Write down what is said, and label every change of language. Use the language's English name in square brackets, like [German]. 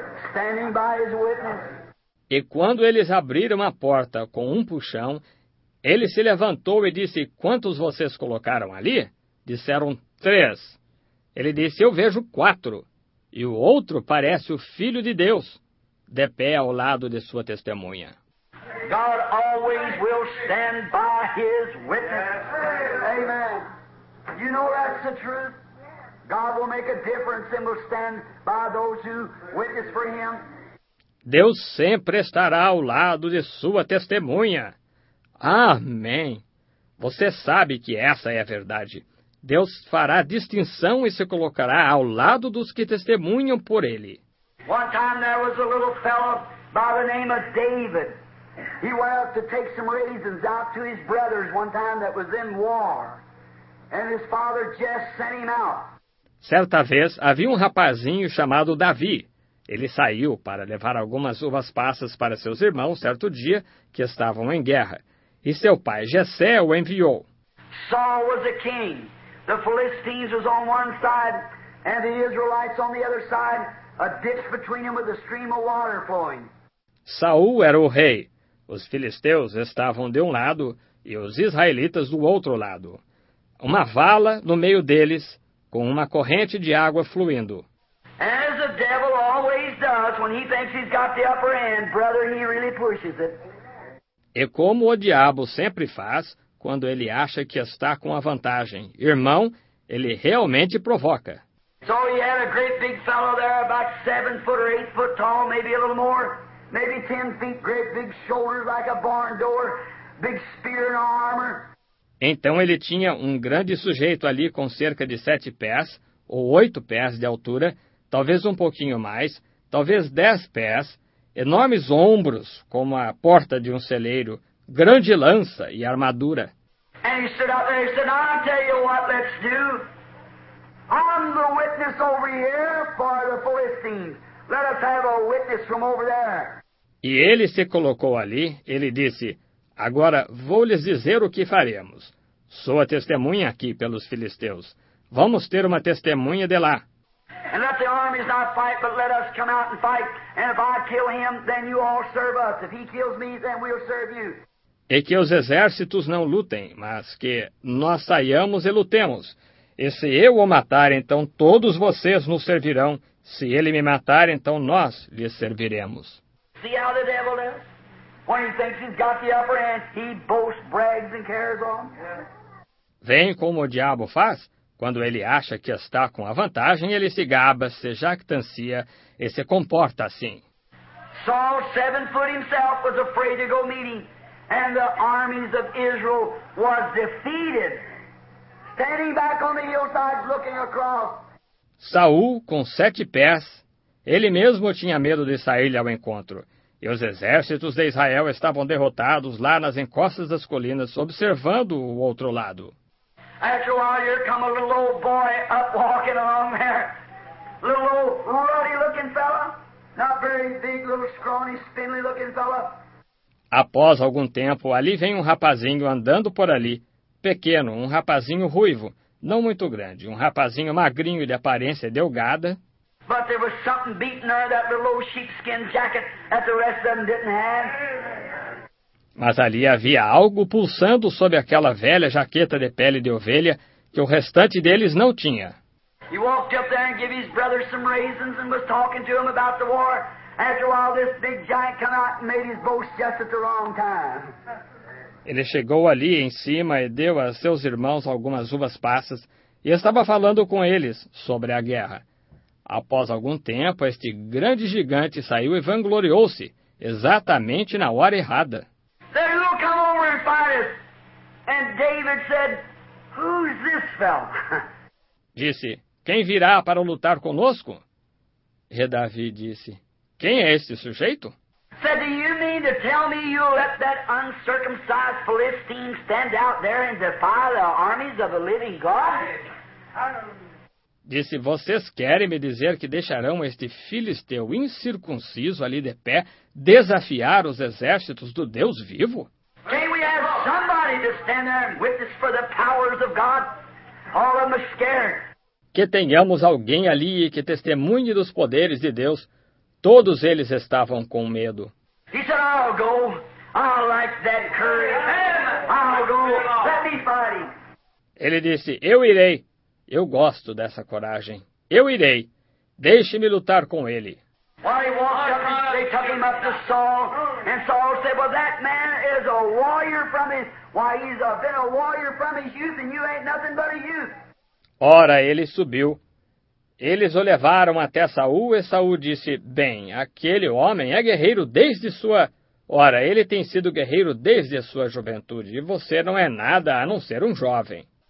[English] Standing by his witness. [Portuguese] E quando eles abriram a porta com um puxão, ele se levantou e disse, quantos vocês colocaram ali? Disseram, três. Ele disse, eu vejo quatro. E o outro parece o Filho de Deus, de pé ao lado de sua testemunha. [English] God always will stand by his witness. Amen. You know that's the truth? God will make a difference and will stand by those who witness for him. [Portuguese] Deus sempre estará ao lado de sua testemunha. Amém. Você sabe que essa é a verdade. Deus fará distinção e se colocará ao lado dos que testemunham por ele. [English] One time there was a little fellow by the name of David. He went out to take some raisins out to his brothers one time that was in war. And his father just sent him out. [Portuguese] Certa vez, havia um rapazinho chamado Davi. Ele saiu para levar algumas uvas passas para seus irmãos certo dia que estavam em guerra. E seu pai Jessé o enviou. [English] Saul was a king. The Philistines was on one side and the Israelites on the other side, a ditch between them with a stream of water flowing. [Portuguese] Saul era o rei. Os filisteus estavam de um lado e os israelitas do outro lado. Uma vala no meio deles, com uma corrente de água fluindo. [English] As the devil always does when he thinks he's got the upper hand, brother, he really pushes it. [Portuguese] E como o diabo sempre faz, quando ele acha que está com a vantagem, irmão, ele realmente provoca. [English] So he had a great big fellow there, about 7 foot or 8 foot tall, maybe a little more. Maybe 10 feet, great big shoulders like a barn door, big spear and armor. [Portuguese] Então ele tinha um grande sujeito ali com cerca de 7 pés, ou 8 pés de altura, talvez um pouquinho mais, talvez 10 pés, enormes ombros, como a porta de um celeiro, grande lança e armadura. [English] And he stood up there and said, I'll tell you what let's do. I'm the witness over here for the Philistines. Let us have a witness from over there. [Portuguese] E ele se colocou ali, ele disse, agora vou lhes dizer o que faremos. Sou a testemunha aqui pelos filisteus. Vamos ter uma testemunha de lá. [English] And let the armies not fight, but let us come out and fight. And if I kill him, then you all serve us. If he kills me, then we'll serve you. [Portuguese] E que os exércitos não lutem, mas que nós saiamos e lutemos. E se eu o matar, então todos vocês nos servirão. Se ele me matar, então nós lhe serviremos. [English] See how the devil is? When he thinks he's got the upper hand, he boasts, brags and carries on. [Portuguese] Vem como o diabo faz? Quando ele acha que está com a vantagem, ele se gaba, se jactancia e se comporta assim. [English] Saul, 7 foot himself, was afraid to go meeting, and the armies of Israel was defeated. Standing back on the hillside, looking across. [Portuguese] Saul, com 7 pés, ele mesmo tinha medo de sair-lhe ao encontro. E os exércitos de Israel estavam derrotados lá nas encostas das colinas, observando o outro lado. [English] After a while, here come a little old boy up walking along there. Little old ruddy looking fella. Not very big, little scrawny, spindly looking fella. [Portuguese] Após algum tempo, ali vem um rapazinho andando por ali. Pequeno, um rapazinho ruivo. Não muito grande, um rapazinho magrinho de aparência delgada. [English] But there was something beating her, that little old sheepskin jacket that the rest of them didn't have. [Portuguese] Mas ali havia algo pulsando sob aquela velha jaqueta de pele de ovelha que o restante deles não tinha. [English] He walked up there and gave his brothers some raisins and was talking to him about the war. After a while, this big giant came out and made his boast just at the wrong time. [Portuguese] Ele chegou ali em cima e deu a seus irmãos algumas uvas passas e estava falando com eles sobre a guerra. Após algum tempo, este grande gigante saiu e vangloriou-se, exatamente na hora errada. [English] Said, he'll come over and fight us. And David said, Who's this fellow? [Portuguese] Disse, quem virá para lutar conosco? E Davi disse, quem é este sujeito? [English] Said, do you mean to tell me you'll let that uncircumcised Philistine stand out there and defy the armies of the living God? [Portuguese] Disse, vocês querem me dizer que deixarão este filisteu incircunciso ali de pé desafiar os exércitos do Deus vivo? [English] Can we have somebody to stand there and witness for the powers of God? All of them are scared. [Portuguese] Que tenhamos alguém ali que testemunhe dos poderes de Deus. Todos eles estavam com medo. [English] He said, I'll go. I like that courage. I'll go. Let me fight. [Portuguese] Ele disse, eu irei. Eu gosto dessa coragem. Eu irei. Deixe-me lutar com ele. [English] While he walked up, they took him up to Saul. And Saul said, well, that man is a warrior from his... Why, he's been a warrior from his youth, and you ain't nothing but a youth. [Portuguese] Ora, ele subiu. Eles o levaram até Saul, e Saul disse, bem, aquele homem é guerreiro desde sua... Ora, ele tem sido guerreiro desde a sua juventude, e você não é nada a não ser um jovem.